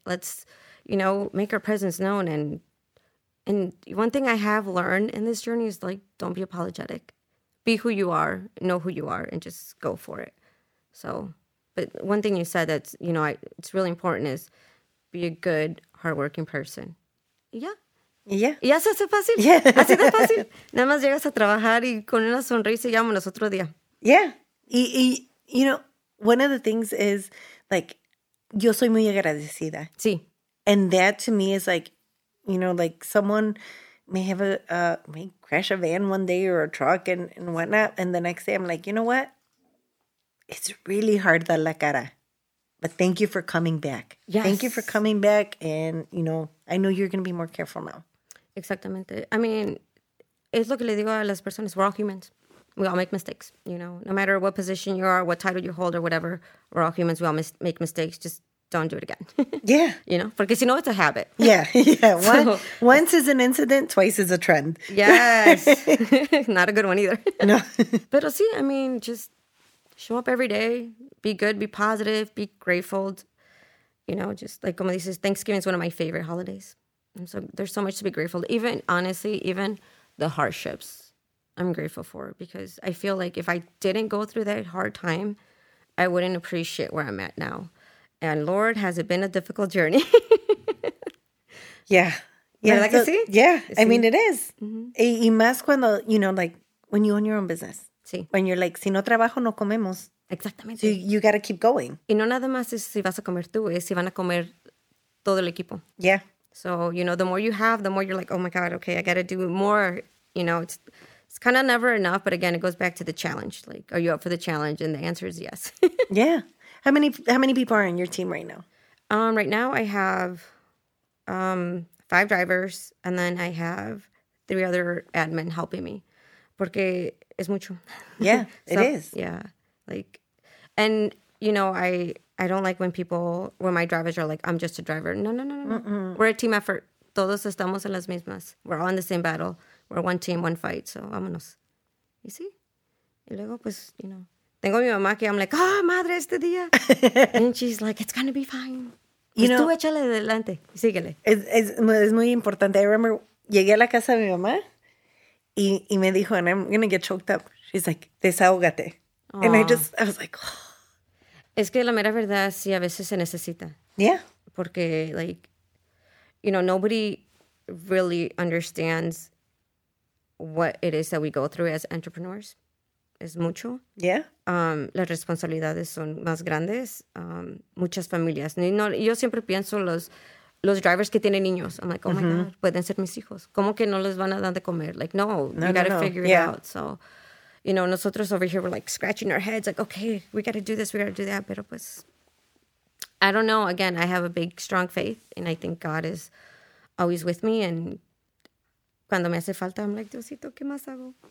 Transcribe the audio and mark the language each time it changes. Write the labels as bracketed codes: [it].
[en] Let's, you know, make our presence known. And one thing I have learned in this journey is like, don't be apologetic. Be who you are, know who you are, and just go for it. So, but one thing you said that's, you know, it's really important is be a good, hardworking person. Yeah. Yeah. [es] Ya se hace fácil. [en] Yeah. [es] Así de fácil. Nada más llegas a trabajar y con una sonrisa y llámanos otro día. [en] Yeah. You know, one of the things is like, [es] yo soy muy agradecida. Sí. [en] And that to me is like, you know, like someone may have may crash a van one day or a truck and whatnot. And the next day I'm like, you know what? It's really hard, [es] dar la cara. [en] But thank you for coming back. Yes. Thank you for coming back. And, you know, I know you're going to be more careful now. [es] Exactamente. [en] I mean, [es] es lo que le digo a las personas. [en] We're all humans. We all make mistakes, you know. No matter what position you are, what title you hold or whatever, we're all humans. We all make mistakes. Just don't do it again. Yeah. You know, [es] porque si no, [en] it's a habit. Yeah. Yeah. Once is an incident, twice is a trend. Yes. Not a good one either. No. [es] Pero sí, [en] I mean, just show up every day. Be good. Be positive. Be grateful. You know, just like [es] como dices, [en] Thanksgiving is one of my favorite holidays. And so there's so much to be grateful. Even honestly, even the hardships I'm grateful for, because I feel like if I didn't go through that hard time, I wouldn't appreciate where I'm at now. And Lord, has it been a difficult journey? Yeah. Yeah. Like so, yeah. I mean, it is. Mm-hmm. [es] Y más cuando, [en] you know, like when you own your own business. [es] Sí. [en] When you're like, [es] si no trabajo, no comemos. Exactamente. [en] So you got to keep going. [es] Y no nada más es si vas a comer tú, es si van a comer todo el equipo. [en] Yeah. So, you know, the more you have, the more you're like, oh my God, okay, I got to do more. You know, it's kind of never enough. But again, it goes back to the challenge. Like, are you up for the challenge? And the answer is yes. Yeah. How many people are on your team right now? Right now I have 5 drivers, and then I have 3 other admin helping me. [es] Porque es mucho. [en] Yeah, so, it is. Yeah. Like, and you know, I don't like when my drivers are like, I'm just a driver. No. Mm-mm. We're a team effort. [es] Todos estamos en las mismas. [en] We're all in the same battle. We're one team, one fight. So [es] vámonos. [en] You see? [es] Y luego pues, [en] you know. [es] Tengo mi mamá que [en] I'm like, ah, oh, [es] madre, este día. [en] And she's like, it's going to be fine. You know, [es] tú échale adelante. Síguele. Es muy importante. [en] I remember, [es] llegué a la casa de mi mamá y me dijo, [en] and I'm going to get choked up. She's like, [es] desahógate. Aww. [en] And I was like, oh. [es] Es que la mera verdad, sí, a veces se necesita. [en] Yeah. Porque, like, you know, nobody really understands what it is that we go through as entrepreneurs. [es] Es mucho. [en] Yeah. [es] Las responsabilidades son más grandes. Muchas familias. No, yo siempre pienso los drivers que tienen niños. [en] I'm like, oh, mm-hmm. My God, [es] pueden ser mis hijos. ¿Cómo que no les van a dar de comer? [en] Like, no, no you got to no. Figure yeah. It out. So, you know, [es] nosotros [en] over here, we're like scratching our heads. Like, okay, we got to do this. We got to do that. [es] Pero pues, [en] I don't know. Again, I have a big, strong faith. And I think God is always with me. [es] And cuando me hace falta, [en] I'm like, [es] Diosito, ¿qué más hago?